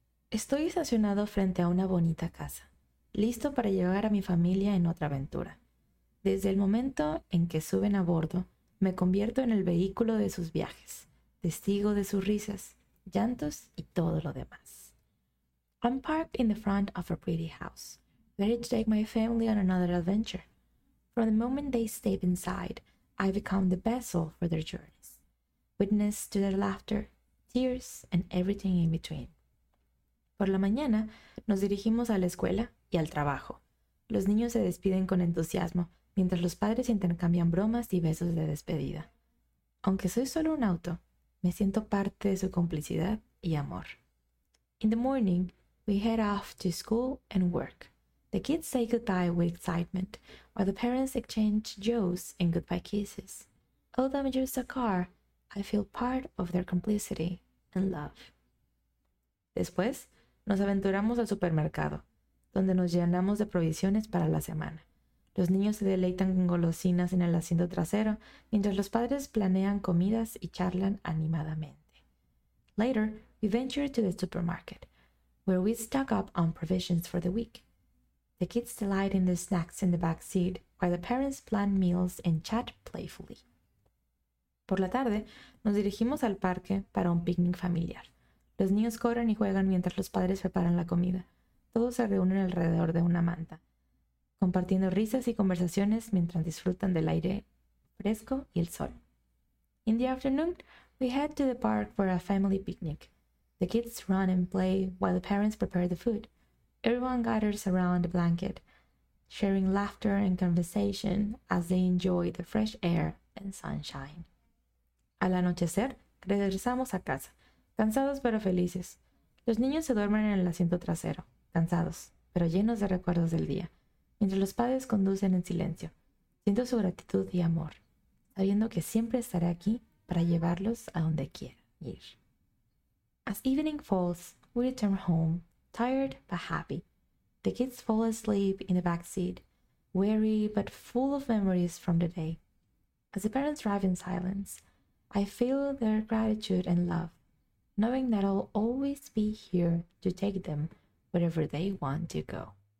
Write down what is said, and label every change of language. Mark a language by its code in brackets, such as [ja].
[es] Estoy estacionado frente a una bonita casa, listo para llevar a mi familia en otra aventura. Desde el momento en que suben a bordo, me convierto en el vehículo de sus viajes, testigo de sus risas, llantos y todo lo demás. [en] I'm parked in the front of a pretty house, ready to take my family on another adventure. From the moment they step inside, I become the vessel for their journeys, witness to their laughter, tears, and everything in between. [es] Por la mañana, nos dirigimos a la escuela y al trabajo. Los niños se despiden con entusiasmo, mientras los padres intercambian bromas y besos de despedida. Aunque soy solo un auto, me siento parte de su complicidad y amor. [en] In the morning, we head off to school and work. The kids say goodbye with excitement, while the parents exchange jokes and goodbye kisses. Although I'm just a car, I feel part of their complicity and love. [es] Después, nos aventuramos al supermercado, donde nos llenamos de provisiones para la semana. Los niños se deleitan con golosinas en el asiento trasero, mientras los padres planean comidas y charlan animadamente. [en] Later, we venture to the supermarket, where we stock up on provisions for the week. The kids delight in the snacks in the back seat, while the parents plan meals and chat playfully. [es] Por la tarde, nos dirigimos al parque para un picnic familiar. Los niños corren y juegan mientras los padres preparan la comida. Todos se reúnen alrededor de una manta, compartiendo risas y conversaciones mientras disfrutan del aire fresco y el sol. [en] In the afternoon, we head to the park for a family picnic. The kids run and play while the parents prepare the food. Everyone gathers around a blanket, sharing laughter and conversation as they enjoy the fresh air and sunshine. [es] Al anochecer, regresamos a casa. Cansados pero felices. Los niños se duermen en el asiento trasero, cansados, pero llenos de recuerdos del día, mientras los padres conducen en silencio. Siento su gratitud y amor, sabiendo que siempre estaré aquí para llevarlos a donde quiera ir. [en] As evening falls, we return home, tired but happy. The kids fall asleep in the back seat, weary but full of memories from the day. As the parents drive in silence, I feel their gratitude and love, knowing that I'll always be here to take them wherever they want to go.